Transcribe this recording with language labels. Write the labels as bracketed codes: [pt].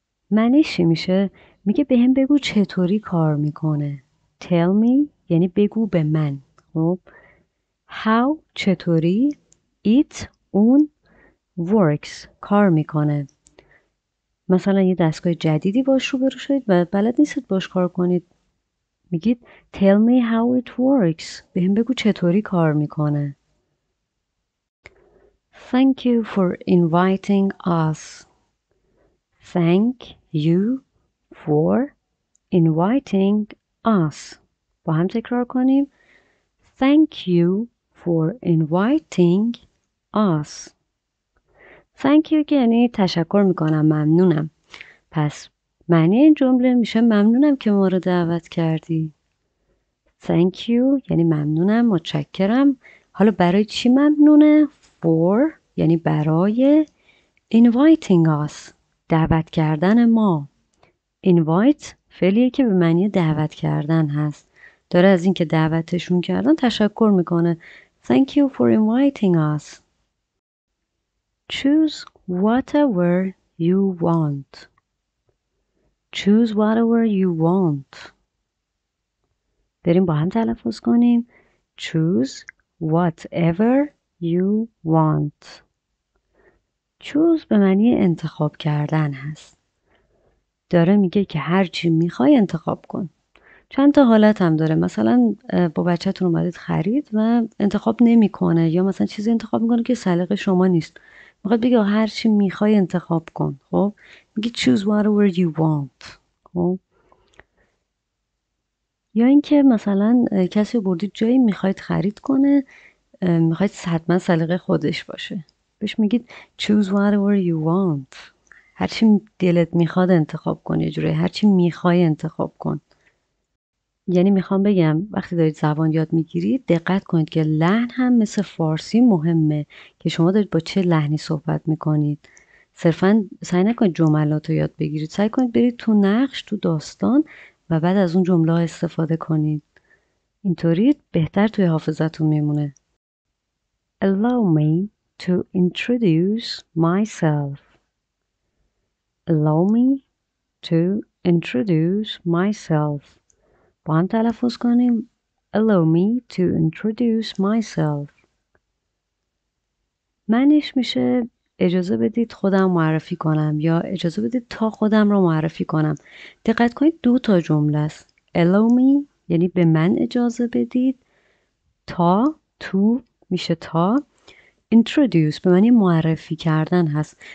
[fa] معنیش چی میشه؟ میگه به هم بگو چطوری کار میکنه. [en] Tell me [fa] یعنی بگو به من. خب. How چطوری؟ It اون works کار میکنه. مثلا یه دستگاه جدیدی باش روبرو شدید و بلد نیستید باش کار کنید. میگید [en] Tell me how it works. [fa] به هم بگو چطوری کار میکنه. [en] Thank you for inviting us. Thank you for inviting us. [fa] با هم تکرار کنیم. [en] Thank you for inviting us. Thank you [fa] که یعنی تشکر میکنم ممنونم. پس معنی این جمله میشه ممنونم که ما رو دعوت کردی. [en] Thank you [fa] یعنی ممنونم متشکرم. حالا برای چی ممنونه؟ For یعنی برای [en] inviting us [fa] دعوت کردن ما. Invite فعلیه که به معنی دعوت کردن هست. داره از اینکه دعوتشون کردن تشکر میکنه. [en] Thank you for inviting us. Choose whatever you want. Choose whatever you want. [fa] بریم با هم تلفظ کنیم. [en] Choose whatever you want. [fa] Choose به معنی انتخاب کردن هست. داره میگه که هر چی میخوای انتخاب کن. چند تا حالت هم داره. مثلا با بچه تون اومدید خرید و انتخاب نمی کنه. یا مثلا چیزی انتخاب میکنه که سلیقه شما نیست. میخواد بگه هر چی میخوای انتخاب کن. خب میگه [en] choose whatever you want. [fa] خب یا اینکه مثلا کسی بردید جایی میخواید خرید کنه، میخواید حتما سلیقه خودش باشه، بهش میگید [en] choose whatever you want. [fa] هر چی دلت میخواد انتخاب کن، یه جوری هر چی میخوای انتخاب کن. یعنی میخوام بگم وقتی دارید زبان یاد میگیرید دقت کنید که لحن هم مثل فارسی مهمه که شما دارید با چه لحنی صحبت میکنید. صرفا سعی نکنید جملات رو یاد بگیرید، سعی کنید برید تو نقش، تو داستان و بعد از اون جمله ها استفاده کنید. اینطوری بهتر توی حافظتون میمونه. [en] Allow me to introduce myself. Allow me to introduce myself. [fa] با هم تلفظ کنیم. [en] Allow me to introduce myself. [fa] معنیش میشه اجازه بدید خودم معرفی کنم یا اجازه بدید تا خودم رو معرفی کنم. دقت کنید دو تا جمله است. [en] Allow me [fa] یعنی به من اجازه بدید. تا تو میشه تا. Introduce به معنی معرفی کردن هست.